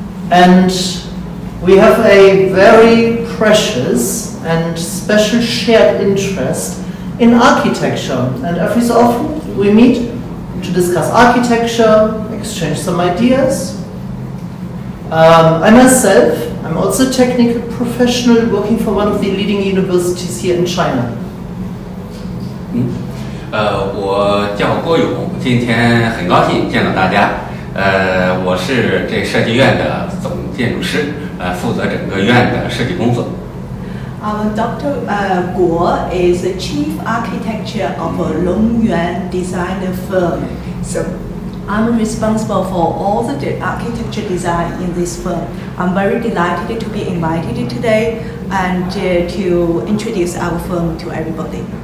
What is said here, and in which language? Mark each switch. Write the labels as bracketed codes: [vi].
[en] And we have a very precious and special shared interest in architecture. And every so often we meet to discuss architecture, exchange some ideas. I'm also a technical professional working for one of the leading universities here in China. [zh] 我叫郭勇，今天很高兴见到大家。我是这设计院的总建筑师，负责整个院的设计工作。 [en] Dr. Guo is the chief architect of a Lumwon design firm. So I'm responsible for all the architecture design in this firm. I'm very delighted to be invited today and to introduce our firm to everybody.